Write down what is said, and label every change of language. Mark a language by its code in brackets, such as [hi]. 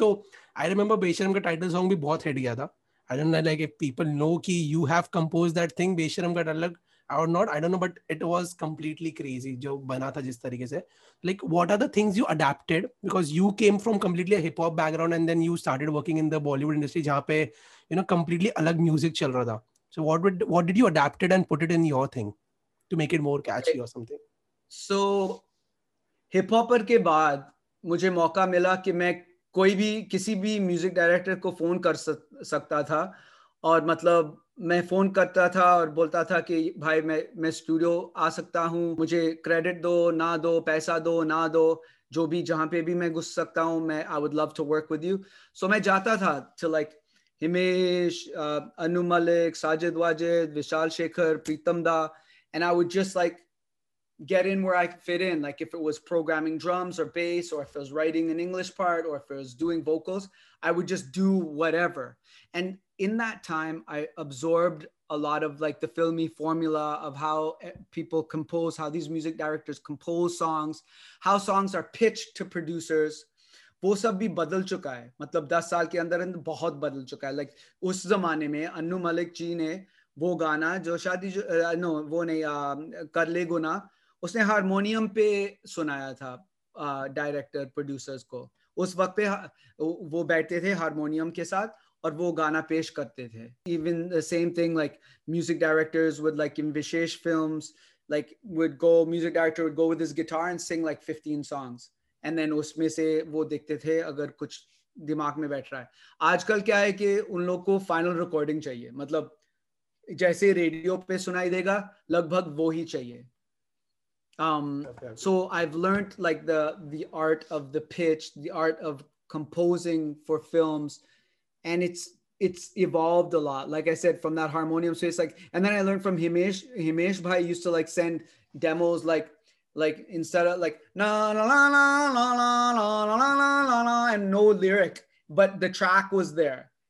[en] To I remember [hi] Beshram ka title song bhi bahut hit gaya tha. [en] I don't know, like, if people know ki you have composed that thing, Besharam ka Dalag, or not, I don't know, but it was completely crazy, [hi] jo bana tha jis tarike se. [en] Like, what are the things you adapted? Because you came from completely a hip-hop background, and then you started working in the Bollywood industry, [hi] jahan pe, you know, completely alag music chal raha tha. [en] So what did you adapted and put it in your thing to make it more catchy, okay, or something? [hi] So, hip-hop ke baad, mujhe mauka mila ki main कोई भी किसी भी music director को phone कर सकता था, और मतलब मैं फोन करता था और बोलता था कि भाई मैं स्टूडियो आ सकता हूँ, मुझे क्रेडिट दो ना दो, पैसा दो ना दो, जो भी जहाँ पे भी मैं घुस सकता हूँ, मैं [en] I would love to work with you. [hi] सो मैं जाता था [en] To like Himesh, Anu Malik, Sajid Wajid, Vishal Shekhar, Pritam da, and I would just like get in where I could fit in, like if it was programming drums or bass, or if it was writing an English part, or if it was doing vocals, I would just do whatever. And in that time, I absorbed a lot of like the filmy formula of how people compose, how these music directors compose songs, how songs are pitched to producers. [hi] वो सब भी बदल चुका है, मतलब 10 साल के अंदर अंदर बहुत बदल चुका है. Like उस जमाने में अनु मलिक जी ने वो गाना जो शादी जो नो वो नहीं कर ले गुना, उसने हारमोनियम पे सुनाया था डायरेक्टर प्रोड्यूसर्स को. उस वक्त पे वो बैठते थे हारमोनियम के साथ और वो गाना पेश करते थे. [en] even the same thing like music directors would like in विशेष films like would go music director would go with his guitar and sing like 15 songs and then [hi] उसमें से वो देखते थे अगर कुछ दिमाग में बैठ रहा है. आजकल क्या है कि उन लोग को फाइनल रिकॉर्डिंग चाहिए, मतलब जैसे रेडियो पे सुनाई देगा लगभग वो ही चाहिए. [en] So I've learned like the art of the pitch, the art of composing for films, and it's evolved a lot. Like I said, from that harmonium space, like, and then I learned from Himesh Bhai used to like send demos like instead of like na na na na na na na na na na na and no lyric, but the track was there.